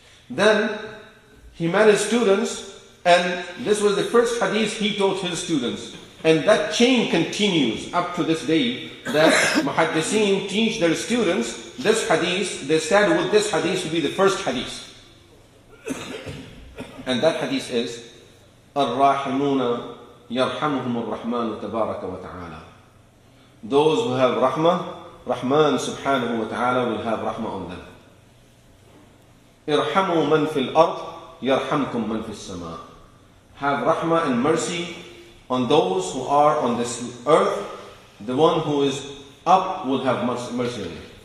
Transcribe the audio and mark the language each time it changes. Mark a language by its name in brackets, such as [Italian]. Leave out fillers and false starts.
[English] Then he met his students, and this was the first hadith he taught his students. And that chain continues up to this day, that muhaddiseen teach their students this hadith, they said with this hadith to be the first hadith. And that hadith is, [Arabic] الرَّاحِمُونَ يَرْحَمُهُمُ الرَّحْمَانُ تَبَارَكَ وَتَعَالَى. [English] Those who have rahmah, Rahman subhanahu wa ta'ala will have rahmah on them. [Arabic] Irhamu man fil ard, yarhamkum man fil sama. [English] Have rahmah and mercy on those who are on this earth, the one who is up will have mercy on you.